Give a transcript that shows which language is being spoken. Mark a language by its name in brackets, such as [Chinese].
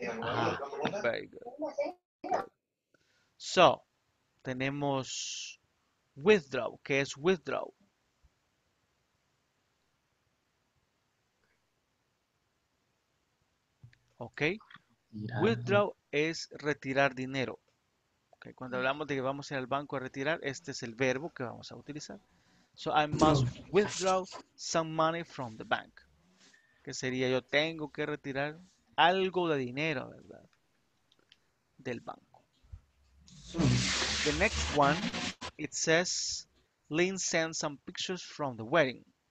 [English] Ah, very good. So, [Spanish] tenemos withdraw. ¿Qué es withdraw? Ok. Yeah. Withdraw es retirar dinero. Cuando hablamos de que vamos a ir al banco a retirar, este es el verbo que vamos a utilizar. [English] So, I must withdraw some money from the bank. [Spanish] Que sería, yo tengo que retirar algo de dinero, ¿verdad? Del banco. [English] The next one, it says, Lynn sent some pictures from the wedding.